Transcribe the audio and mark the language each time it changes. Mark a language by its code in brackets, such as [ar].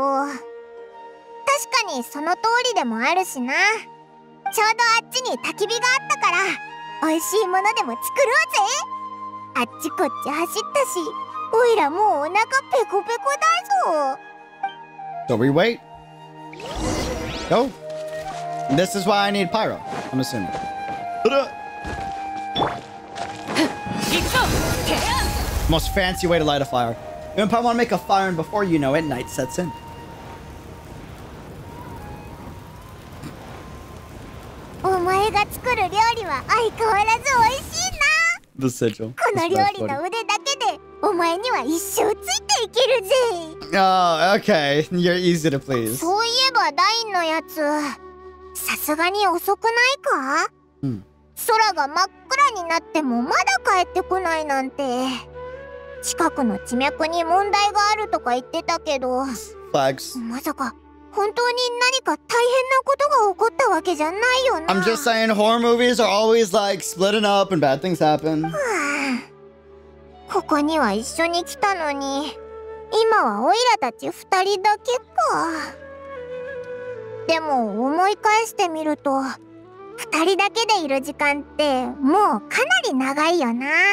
[ja] 確かにその通りでもあるしな。ちょうどあっちに焚き火があったから、おいしいものでも作ろうぜ。あっちこっち走ったし、オイラもうお腹ペコペコだぞ。 [en] So we wait. Go. This is why I need pyro, I'm assuming. Most fancy way to light a fire. You probably want to make a fire, and before you know it, night sets in. [ja] お前が作る料理は相変わらず美味しいな。 [en] The sigil. [ja] この料理の腕だけでお前には一生ついていけるぜ。 [en] Oh, okay. You're easy to please. [ja] そういえばダインのやつ、さすがに遅くないか？空が真っ暗になってもまだ帰ってこないなんて。近くの地脈に問題があるとか言ってたけど、 [en] Flags. [ja] まさか本当に何か大変なことが起こったわけじゃないよな。 [en] I'm just saying horror movies are always like splitting up and bad things happen. [ja] ここには一緒に来たのに、今はオイラたち二人だけか。でも思い返してみると、二人だけでいる時間ってもうかなり長いよな。